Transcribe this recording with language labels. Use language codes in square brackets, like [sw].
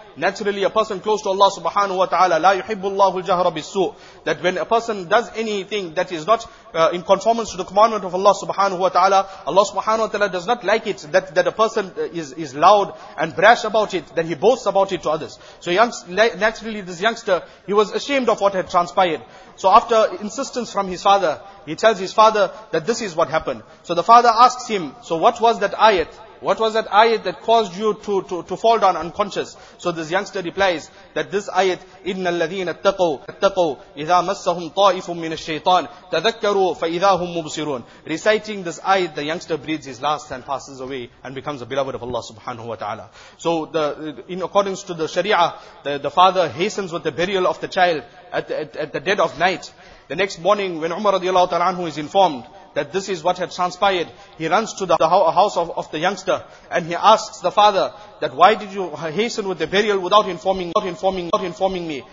[en] Naturally, a person close to Allah subhanahu wa ta'ala, [ar] لا يحب الله الجهر بالسوء, [en] that when a person does anything that is not in conformance to the commandment of Allah subhanahu wa ta'ala, Allah subhanahu wa ta'ala does not like it that a person is loud and brash about it, that he boasts about it to others. So naturally this youngster, he was ashamed of what had transpired. So after insistence from his father, he tells his father that this is what happened. So the father asks him, so what was that ayat? What was that ayat that caused you to fall down unconscious? So this youngster replies that this ayat, [ar] إِنَّ الَّذِينَ اتَّقَوْا إِذَا مَسَّهُمْ طَائِفٌ مِّنَ الشَّيْطَانِ تَذَكَّرُوا فَإِذَا هُمْ مُبْصِرُونَ. [en] Reciting this ayat, the youngster breathes his last and passes away and becomes a beloved of Allah subhanahu wa ta'ala. So in accordance to the sharia, the father hastens with the burial of the child at the dead of night. The next morning when Umar radiallahu ta'ala anhu is informed that this is what had transpired, he runs to the house of the youngster and he asks the father that why did you hasten with the burial without informing me?